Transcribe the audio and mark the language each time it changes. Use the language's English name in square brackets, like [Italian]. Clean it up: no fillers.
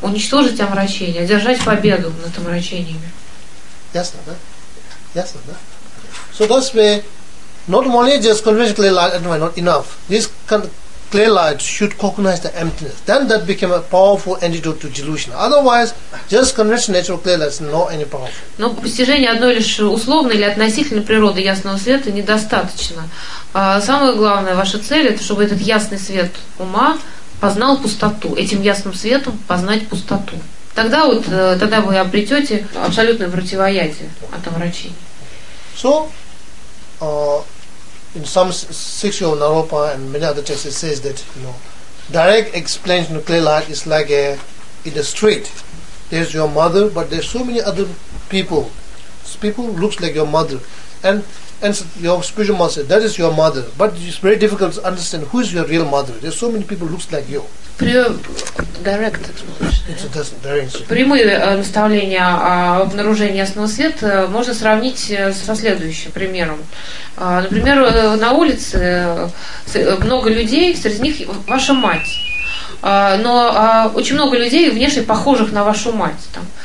[Russian] Уничтожить омрачение, одержать победу над омрачениями. Ясно, да? Ясно, да? [English] So that's why not only just conventional clear light is not enough. This clear light should cognize the emptiness. Then that became a powerful antidote to delusion. Otherwise, just conventional natural clear light is not any powerful. [Russian] Но постижение одной лишь условной или относительной природы ясного света недостаточно. Самое главное, ваша цель – это чтобы этот ясный свет ума познал пустоту, этим ясным светом познать пустоту. Тогда вы обретете абсолютное противоядие от омрачения. [English] So, in some sixth of Naropa and many other texts, it says that, you know, direct explanation of clear light is like a, in the street. There's your mother, but there's so many other people. These people looks like your mother. And your spiritual master, that is your mother. But it's very difficult to understand who is your real mother. There's so many people looks like you. Direct explanation. [Russian] Прямое наставление о обнаружении ясного света можно сравнить со следующим примером. Например, на улице много людей, среди них ваша мать. Но очень много людей внешне похожих на вашу мать. Там.